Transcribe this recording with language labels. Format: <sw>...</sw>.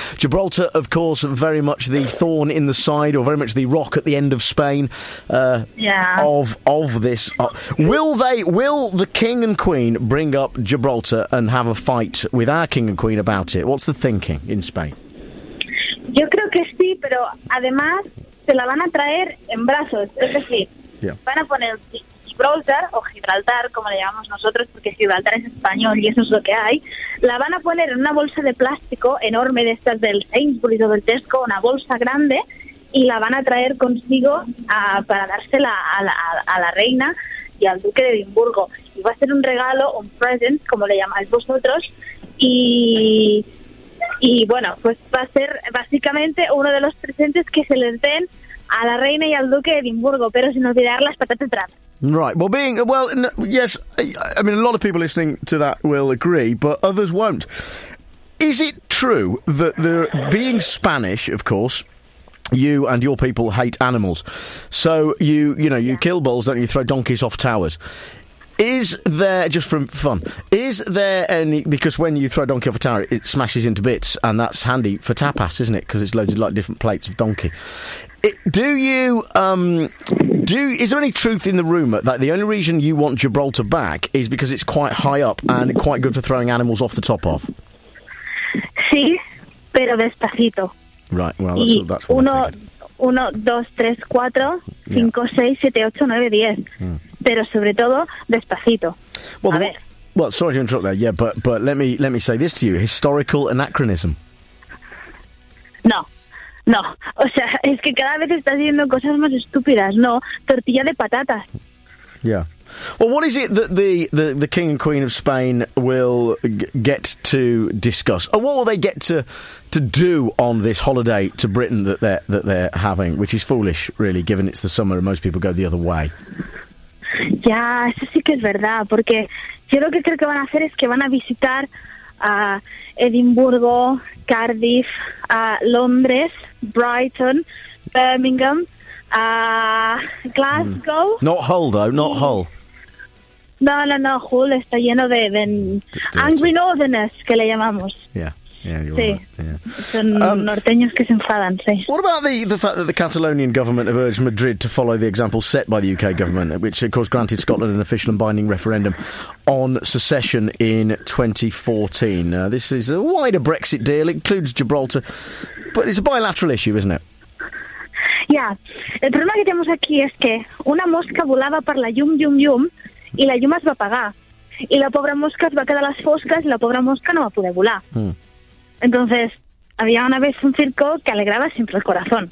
<en>Gibraltar, of course, very much the thorn in the side, or very much the rock at the end of Spain of this. Will the King and Queen bring up Gibraltar and have a fight with our King and Queen about it? What's the thinking in Spain?</en> <es>Yo creo que sí, pero además... se la van a traer en brazos, es decir, van a poner Gibraltar, o Gibraltar, como le llamamos nosotros, porque Gibraltar es español y eso es lo que hay, la van a poner en una bolsa de plástico enorme de estas del Sainsbury's o del Tesco, una bolsa grande, y la van a traer consigo para dársela a la reina y al duque de Edimburgo. Y va a ser un regalo, un present, como le llamáis vosotros, y bueno, pues va a ser básicamente uno de los presentes que se les den a la reina y al duque de Edimburgo, pero sin olvidar las patatas bravas.</es> <en>Right. A lot of people listening to that will agree, but others won't. Is it true that they're being Spanish, of course? You and your people hate animals. So you kill bulls, don't you? Throw donkeys off towers. Is there, just for fun, is there any... Because when you throw a donkey off a tower, it smashes into bits, and that's handy for tapas, isn't it? Because it's loaded like different plates of donkey. Is there any truth in the rumour that the only reason you want Gibraltar back is because it's quite high up and quite good for throwing animals off the top of?</en> <es>Sí, pero despacito.</es> <en>Right, well, that's what</en> <es>uno, uno, dos, tres, cuatro, cinco, seis, siete, ocho, nueve, diez. Mm. Pero sobre todo, despacito.</es> <en>Well,</en> <es>a ver,</es> <en>sorry to interrupt there, but let me say this to you. Historical anachronism. No.</en> <es>O sea, es que cada vez estás diciendo cosas más estúpidas, ¿no? Tortilla de patatas.</es> <en>Yeah. Well, what is it that the King and Queen of Spain will get to discuss? Or what will they get to do on this holiday to Britain that they're having, which is foolish, really, given it's the summer and most people go the other way?</en> <es>Ya, eso sí que es verdad, porque yo lo que creo que van a hacer es que van a visitar Edimburgo, Cardiff, Londres, Brighton, Birmingham, Glasgow.</es> <en>Mm. Not Hull, though, not Hull.</en> <es>No, Hull está lleno de</es> <en>angry northerners,</en> <es>que le llamamos. Norteños que se enfadan, sí.</es> <en>What about the fact that the Catalonian government have urged Madrid to follow the example set by the UK government, which of course granted Scotland an official and binding referendum on secession in 2014? This is a wider Brexit deal, includes Gibraltar, but it's a bilateral issue, isn't it? Yeah.</en> <es>El problema que tenemos aquí es que una mosca volaba por la llum, y</es> <ca>la llum es va apagar.</ca> <es>Y la pobre mosca se va a quedar a las foscas y la pobre mosca no va a poder volar. Hmm. Entonces, había una vez un circo que alegraba siempre el corazón.</es>